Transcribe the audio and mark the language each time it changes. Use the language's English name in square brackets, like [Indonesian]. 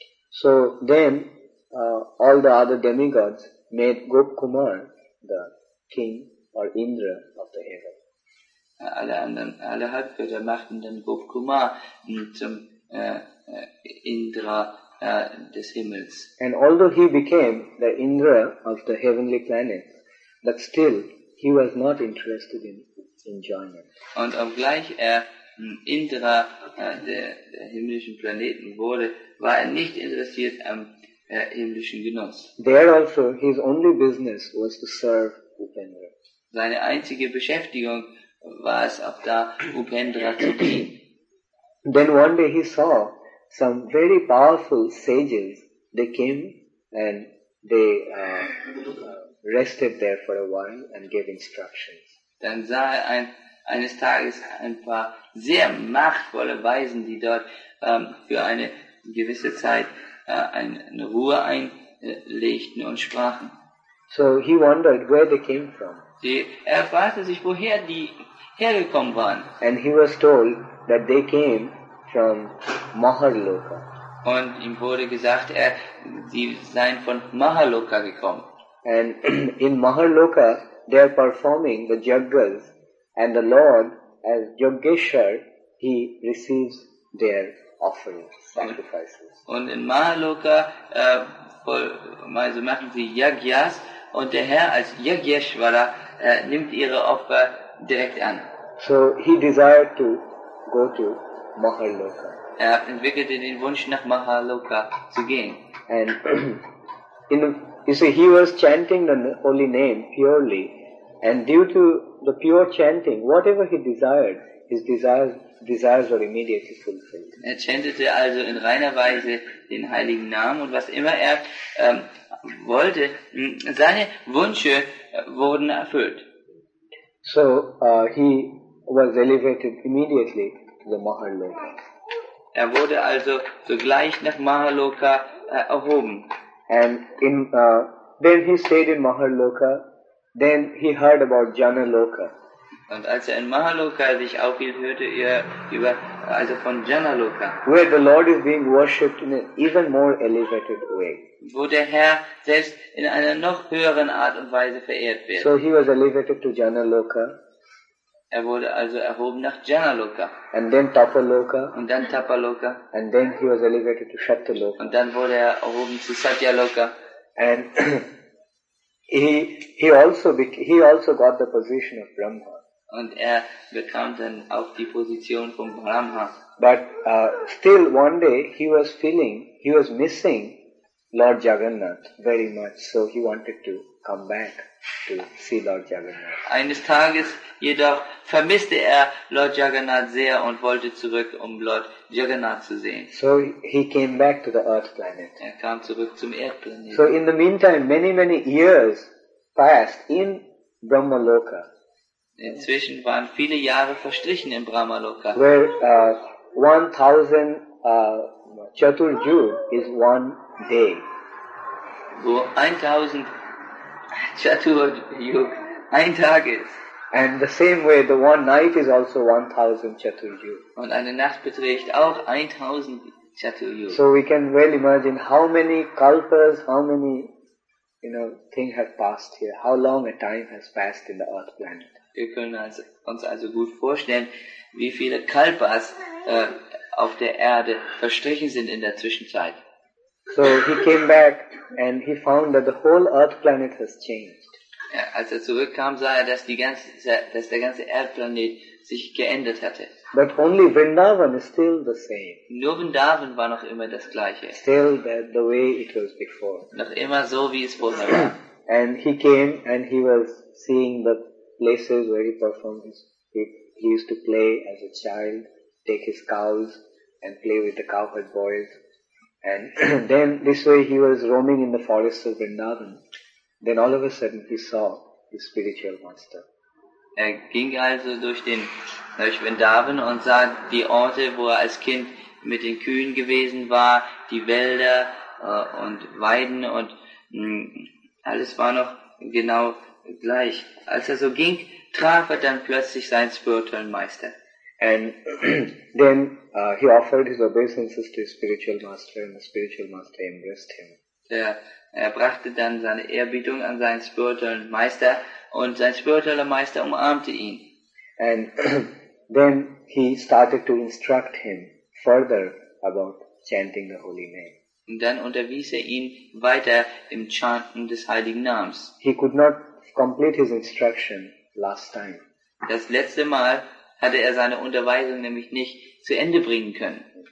[English] So then all the other demigods made Gop Kumar the king or Indra of the heaven. [German] Alle Halbgötter machten dann Gop Kumar zum Indra des Himmels. [English] And although he became the Indra of the heavenly planets, but still he was not interested in enjoyment. [German] Und obgleich er Indra der himmlischen Planeten wurde, war er nicht interessiert am himmlischen Genuss. [English] There also his only business was to serve Upendra. [German] Seine einzige Beschäftigung war es auch da, Upendra zu dienen. [English] Then one day he saw some very powerful sages. They came and they rested there for a while and gave instructions. [German] Dann sah er eines Tages ein paar sehr machtvolle Weisen, die dort für eine gewisse Zeit eine Ruhe einlegten und sprachen. [English] So he wondered where they came from. [German] Er fragte sich, woher die hergekommen waren. [English] And he was told that they came from Mahaloka. [German] Und ihm wurde gesagt, sie seien von Mahaloka gekommen. [English] And in Mahaloka, they are performing the yagyas, and the Lord, as Yogeshwar, he receives their offerings, sacrifices. [German] Und in Mahaloka, also machen sie Yagyas, und der Herr als Yogeshwara nimmt ihre Opfer direkt an. [English] So he desired to go to Mahaloka. [German] Er entwickelte den Wunsch, nach Mahaloka zu gehen. [English] And you see, he was chanting the holy name purely, and due to the pure chanting, whatever he desired, his desires were immediately fulfilled. [German] Er chantete also in reiner Weise den heiligen Namen, und was immer er wollte, seine Wünsche wurden erfüllt. [English] So he was elevated immediately to the Mahaloka. [German] Er wurde also sogleich nach Mahaloka erhoben. [English] And in then he stayed in Mahaloka. Then he heard about Janaloka. [German] Und als er in Mahaloka sich aufhielt, hörte er über also von Janaloka, [English] where the Lord is being worshipped in an even more elevated way. [German] Wo der Herr selbst in einer noch höheren Art und Weise verehrt wird. [English] So he was elevated to Janaloka. [German] Er wurde also erhoben nach Janaloka. [English] And then Tapaloka. [German] Und dann Tapaloka. [English] And then he was elevated to Shatyaloka. [German] Und dann wurde er erhoben zu Satyaloka. [English] And he also got the position of Brahma. [German] Und er bekam dann auch die Position von Brahma. [English] But still one day he was missing Lord Jagannath very much, so he wanted to come back to see Lord Jagannath. [German] Eines Tages jedoch vermisste er Lord Jagannath sehr und wollte zurück, um Lord Jagannath zu sehen. [English] So he came back to the Earth planet. [German] Er kam zurück zum Erdplaneten. [English] So in the meantime, many many years passed in Brahmaloka. [German] Inzwischen waren viele Jahre verstrichen in Brahmaloka. [English] Where 1000 Chaturju is one day. [German] Wo 1000 Chaturyug ein Tag ist. [English] And the same way, the one night is also 1000 Chaturyug. [German] Und eine Nacht beträgt auch 1000 Chaturyug. [English] So we can well imagine how many kalpas, how many, you know, things have passed here, how long a time has passed in the Earth planet. [German] Wir können uns also gut vorstellen, wie viele Kalpas auf der Erde verstrichen sind in der Zwischenzeit. [English] So he came back and he found that the whole Earth planet has changed. [German] Ja, als er zurückkam, sah er, dass der ganze Erdplanet sich geändert hatte. [English] But only Vrindavan is still the same. [German] Nur Vrindavan war noch immer das gleiche. [English] Still the way it was before. [German] Noch immer so, wie es vorher war. [English] And he came and he was seeing the places where he performed his, he used to play as a child, take his cows and play with the cowherd boys. And then this way he was roaming in the forests of Vrindavan. Then all of a sudden he saw his spiritual master. [German] Er ging also durch Vrindavan und sah die Orte, wo er als Kind mit den Kühen gewesen war, die Wälder und Weiden, und alles war noch genau gleich. Als er so ging, traf er dann plötzlich seinen spirituellen Meister. [English] And then he offered his obeisances to his spiritual master, and the spiritual master embraced him. [German] Er brachte dann seine Ehrbietung an seinen spirituellen Meister, und sein spiritueller Meister umarmte ihn. [English] And then he started to instruct him further about chanting the holy name. [German] Und dann unterwies er ihn weiter im Chanten des heiligen Namens. [English] He could not complete his instruction last time. [German] Das letzte Mal hatte er seine Unterweisung nämlich nicht zu Ende bringen können.